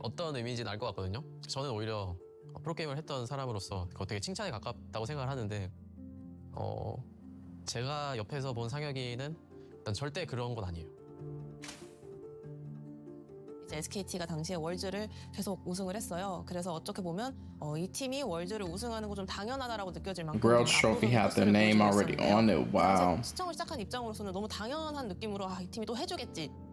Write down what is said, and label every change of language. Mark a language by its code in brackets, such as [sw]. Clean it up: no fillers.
[ko] 어떤 의미인지 알 것 같거든요. 저는 오히려 프로 게임을 했던 사람으로서 그거 되게 칭찬에 가깝다고 생각을 하는데, 제가 옆에서 본 상혁이는 절대 그런 건 아니에요. 이제 SKT가 당시에 월즈를 계속 우승을 했어요. 그래서 어떻게 보면 이 팀이 월즈를 우승하는 거 좀 당연하다라고 느껴질 만큼 [en] World Trophy had their name already on it. Wow. [ko] 시청을 시작한 입장으로서는 너무 당연한 느낌으로 이 팀이 또 해주겠지.